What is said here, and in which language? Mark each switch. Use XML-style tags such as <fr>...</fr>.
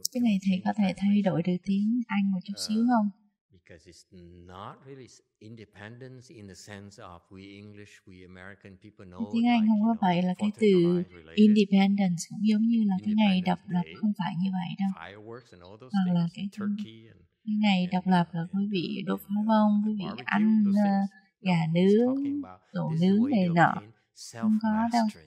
<vi>cái này thầy có thể thay đổi được tiếng Anh một chút xíu không?</vi> <en>Because it's not really independence in the sense of we English, we American people know.</en> <vi>Tiếng Anh</vi> <en>like,</en> <vi>không</vi> <en>you know,</en> <vi>phải là cái từ independence, cũng giống như là cái ngày độc lập không phải như vậy đâu.</vi> <en>Fireworks and all those things,</en> <vi>là cái</vi> <en>turkey and,</en> <vi>ngày độc lập là quý vị đốt pháo bông, quý vị ăn gà nướng, đồ nướng này nọ, không có đâu.</vi>